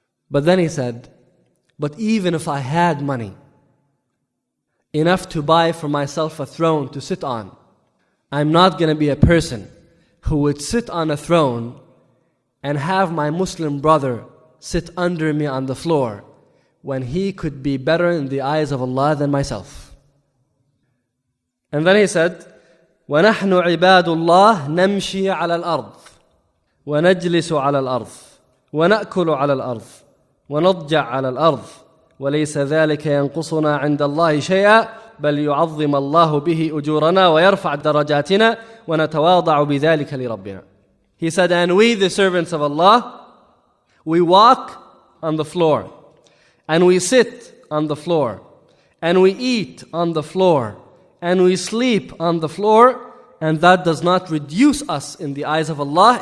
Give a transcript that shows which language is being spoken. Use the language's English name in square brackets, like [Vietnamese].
[English] But then he said, but even if I had money enough to buy for myself a throne to sit on, I'm not going to be a person who would sit on a throne and have my Muslim brother sit under me on the floor when he could be better in the eyes of Allah than myself. And then he said, [Arabic] وَنَحْنُ عِبَادُ اللَّهِ نَمْشِي عَلَى الْأَرْضِ وَنَجْلِسُ عَلَى الْأَرْضِ وَنَأْكُلُ عَلَى الْأَرْضِ ونضجع على الأرض وليس ذلك ينقصنا عند الله شيئا بل يعظم الله به أجورنا ويرفع درجاتنا ونتواضع بذلك لربنا. [English] He said, and we the servants of Allah, we walk on the floor and we sit on the floor and we eat on the floor and we sleep on the floor, and that does not reduce us in the eyes of Allah.